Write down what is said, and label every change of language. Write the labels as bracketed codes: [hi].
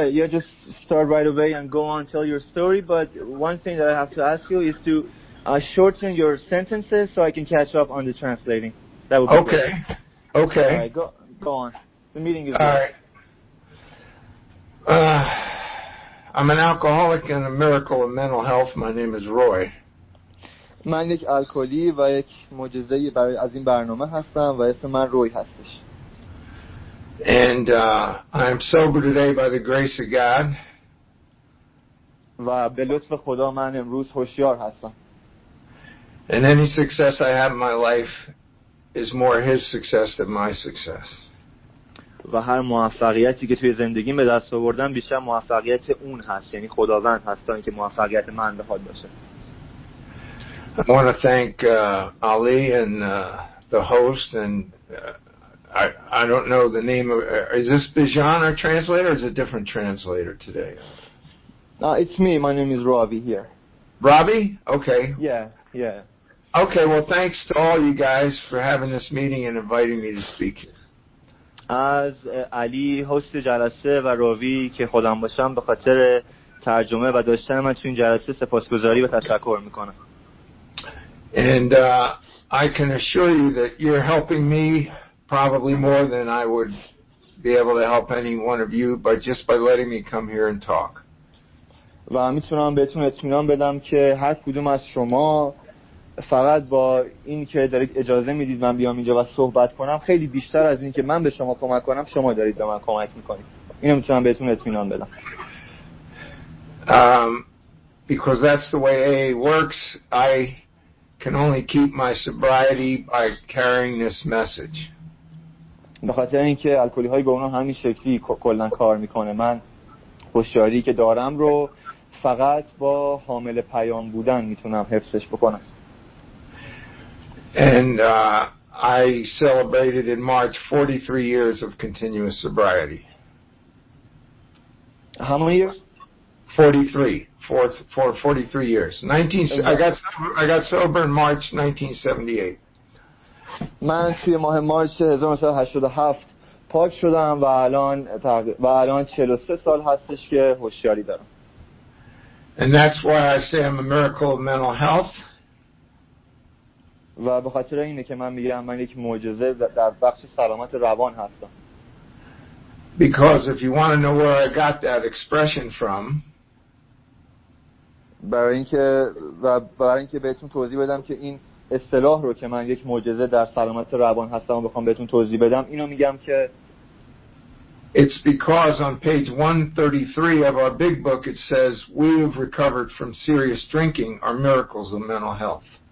[en] Just start right away and go on tell your story. But one thing that I have to ask you is to shorten your sentences so I can catch up on the translating. That would be okay. Great. Okay. All right, go on. The meeting is all good. Right. I'm an alcoholic and a miracle of mental health. My name is Roy. [fa] من یک الکلی و یک معجزه برای از این برنامه هستم و اسم من روی هستش. [en] And I'm sober today by the grace of God. [fa] و به لطف خدا من امروز هوشیار هستم. [en] And any success I have in my life is more His success than my success. [fa] و هر موفقیتی که توی زندگی به دست آوردم بیشتر موفقیت اون هست، یعنی خداوند هست تا اینکه موفقیت من به حال باشه. [en] I want to thank Ali and the host and I don't know the name of is this Bijan our translator or is it a different translator today? No, it's me. My name is Ravi here. Ravi? Okay. Yeah. Okay, well thanks to all you guys for having this meeting and inviting me to speak. [fa] از علی هست جلسه و راوی که خودم باشم به خاطر ترجمه و داشتن من تو این جلسه سپاسگزاری و تشکر میکنم. [en] And I can assure you that you're helping me probably more than I would be able to help any one of you by just by letting me come here and talk. [fa] و میتونم بهتون اطمینان بدم که هر کدوم از شما فقط با این که دارید اجازه میدید من بیام اینجا و صحبت کنم خیلی بیشتر از این که من به شما کمک کنم شما دارید به من کمک میکنید. اینو میتونم بهتون اطمینان بدم. [en] Because that's the way AA works, I can only keep my sobriety by carrying this message. [fa] به خاطر اینکه الکلی های گمنام همین شکلی کلا کار میکنه، من هوشیاری که دارم رو فقط با حامل پیام بودن میتونم حفظش بکنم. [en] And I celebrated in March 43 years of continuous sobriety. How many years? 43 years. I got sober in March 1978. [fa] من توی ماه مارس 1987 پاک شدم و الان 43 سال هستش که هوشیاری دارم. [en] And that's why I say I'm a miracle of mental health. [fa] و به خاطر اینه که من میگم من یک معجزه در بخش سلامت روان هستم. [en] Because if you want to know where I got that expression from. [fa] برای اینکه بهتون توضیح بدم که این اصطلاح رو که من یک معجزه در سلامت روان هستم و بخوام بهتون توضیح بدم اینو میگم که [en] It's because on page 133 of our big book it says we have recovered from serious drinking our miracles of mental health.